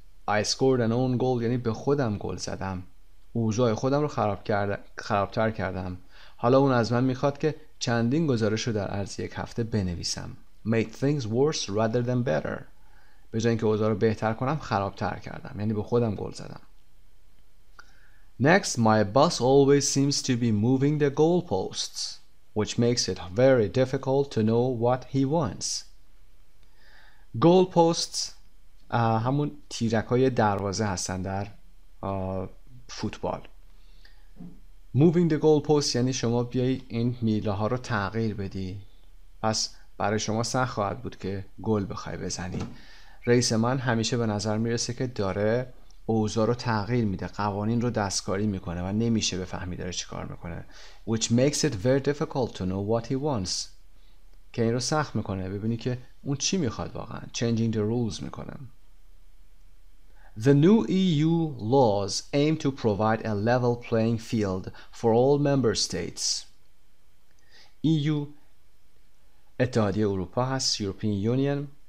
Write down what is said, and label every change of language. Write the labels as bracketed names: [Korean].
[English] I scored an own goal [Persian] یعنی به خودم گل زدم. اوضاع خودم رو خرابتر کردم. حالا اون از من میخواد که چندین گزارش رو در عرض یک هفته بنویسم. [English] Made things worse rather than better. [Persian] به جای اینکه اوضاع رو بهتر کنم خرابتر کردم. یعنی به خودم گل زدم. [English] Next, my boss always seems to be moving the goalposts, which makes it very difficult to know what he wants. [Persian] Goalposts همون تیرک‌های دروازه هستن در فوتبال. [English] Moving the goalposts [Persian] یعنی شما بیای این میله‌ها رو تغییر بدی. پس برای شما سخت خواهد بود که گل بخوای بزنی. رئیس من همیشه به نظر میرسه که داره اوضاع رو تغییر میده، قوانین رو دستکاری میکنه و نمیشه بفهمی داره چی کار میکنه. [English] Which makes it very difficult to know what he wants. [Persian] که این رو سخت میکنه ببینی که اون چی میخواد واقعا. [English] Changing the rules [Persian] میکنه. [English] The new EU laws aim to provide a level playing field for all member states. [Persian] EU اتحادیه اروپا هست، European Union.